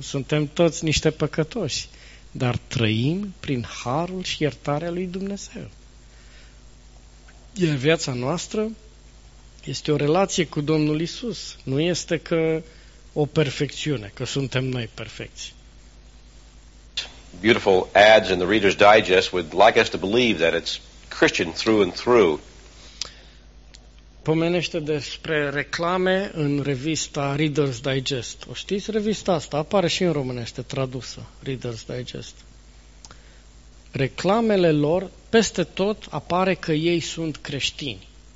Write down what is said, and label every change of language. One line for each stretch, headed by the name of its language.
Romanian: Suntem toți niște păcătoși, dar trăim prin harul și iertarea lui Dumnezeu. Iar viața noastră este o relație cu Domnul Iisus. Nu este că o perfecțiune, că suntem noi perfecți.
English: Beautiful ads in the Reader's Digest would like us to believe that it's Christian through and through.
Romanian: Pomenește despre reclame în revista Reader's Digest. O știți revista asta? Apare și în românește tradusă, Reader's Digest. Reclamele lor, peste tot, apare că ei sunt creștini.